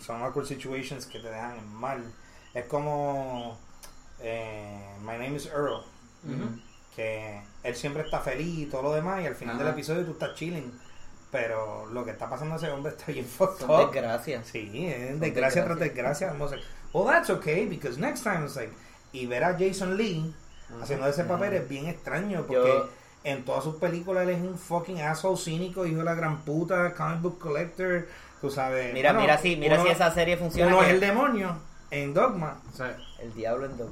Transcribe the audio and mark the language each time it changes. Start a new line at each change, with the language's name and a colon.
Spanish: Son awkward situations que te dejan mal. Es como My Name is Earl, mm-hmm, que él siempre está feliz y todo lo demás, y al final, ajá, del episodio tú estás chilling. Pero lo que está pasando a ese hombre está bien fucked up. Desgracia. Sí, es desgracia tras desgracia.
English: I'm like, well, that's okay, because next time it's like...
Spanish: Y ver a Jason Lee, mm-hmm, haciendo ese papel, mm-hmm, es bien extraño. Porque en todas sus películas él es un fucking asshole cínico, hijo de la gran puta, comic book collector, tú sabes. Mira, bueno, mira si esa serie funciona. Uno es el demonio en Dogma. O sea, el diablo en Dogma.